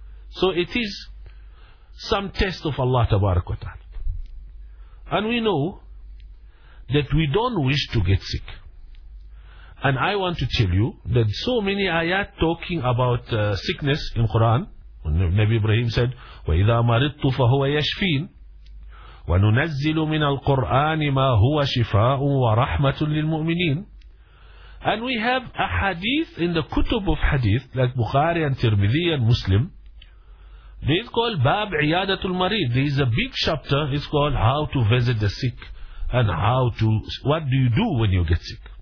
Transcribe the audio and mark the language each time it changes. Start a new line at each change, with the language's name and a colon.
English: So it is some test of Allah tabarak wa ta'ala. And we know that we don't wish to get sick. And I want to tell you that so many ayat talking about sickness in Quran. Nabi Ibrahim said,
Arabic: وَإِذَا مَرِضْتُ فَهُوَ يَشْفِينَ وَنُنَزِّلُ مِنَ الْقُرْآنِ مَا هُوَ شِفَاءٌ وَرَحْمَةٌ لِلْمُؤْمِنِينَ.
English: And we have a hadith in the kutub of hadith, like Bukhari and Tirmidhi and Muslim. It's called Bab Iyadatul Marid. There is a big chapter. It's called how to visit the sick and how to, what do you do when you get sick.